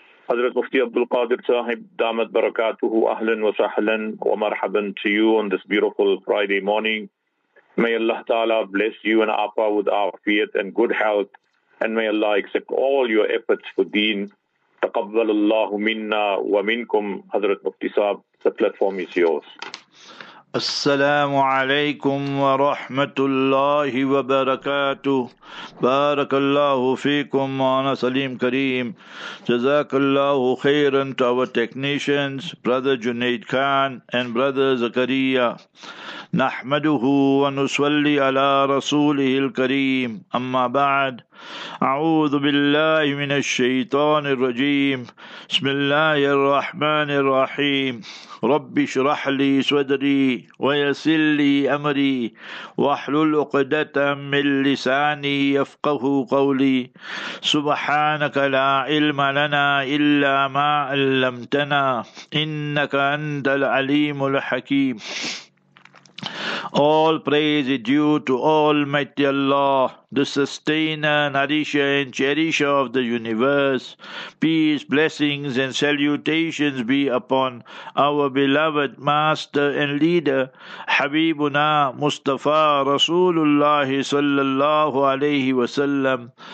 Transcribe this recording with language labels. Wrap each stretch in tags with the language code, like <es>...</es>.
<ar>حضرت مفتي عبد القادر صاحب دامت بركاته أهلا وسهلا ومرحبا</ar> <en>to you on this beautiful Friday morning. May Allah Ta'ala bless you and Apa with afiyat and good health. And may Allah accept all your efforts for deen. Taqabbal Allahu minna wa minkum. Hazrat Mufti Sahab, the platform is yours. Assalamu alaikum wa rahmatullahi wa barakatuh. Barakallahu feekum Maana Salim Kareem. Jazakallahu khairan to our technicians, Brother Junaid Khan and Brother Zakaria. Nahmaduhu wa nuswalli ala rasulihi al-kareem. Amma ba'd.</en> <ar>أعوذ بالله من الشيطان الرجيم بسم الله الرحمن الرحيم رب اشرح لي صدري ويسر لي أمري واحلل عقدة من لساني يفقه قولي سبحانك لا علم لنا إلا ما علمتنا إنك أنت العليم الحكيم.</ar> <en>All praise is due to Almighty Allah, the sustainer, nourisher, and cherisher of the universe. Peace, blessings, and salutations be upon our beloved master and leader, Habibuna Mustafa Rasulullah sallallahu alayhi wa sallam.</en>